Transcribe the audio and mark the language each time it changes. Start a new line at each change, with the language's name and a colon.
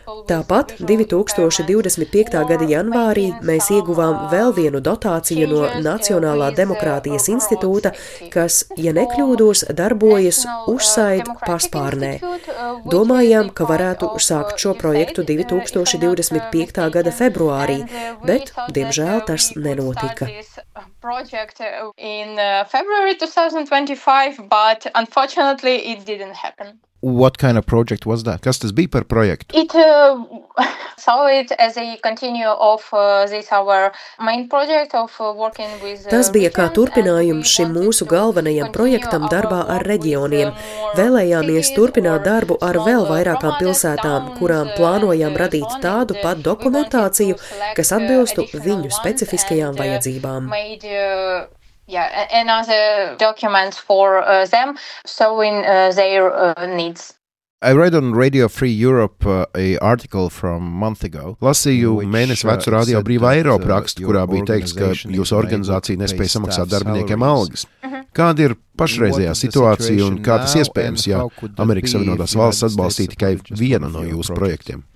Latvian: Tāpat 2025. Gada janvārī mēs ieguvām vēl vienu dotāciju no Nacionālā demokrātijas institūta, kas, ja nekļūdos, darbojas Uzsaid paspārnē. Domājām, ka varētu sākt šo projektu 2025. Gada februārī, bet, diemžēl, tas nenotika.
English: Project in February 2025, but unfortunately it didn't happen. What kind of project was that?
Latvian: Kas tas bija par projektu?
English: It saw it as a continue of this our main project of working with.
Latvian: Tas bija kā turpinājums šim mūsu galvenajam projektam darbā ar reģioniem. Vēlējāmies turpināt darbu ar vēl vairākām pilsētām, kurām plānojam radīt tādu pat dokumentāciju, kas atbilstu viņu specifiskajām vajadzībām.
English: Yeah, and other documents for them, so in their needs. I read on Radio Free Europe a article from month ago.
Latvian: Lasīju mēnesi vecu Radio Brīvā Eiropa rakstu, kurā bija teikts, ka jūsu organizācija nespēja samaksāt darbiniekiem algas. Kāda ir pašreizējā situācija un kā tas iespējams, ja Amerikas Savienotās valsts atbalstīja tikai vienu no jūsu projektiem?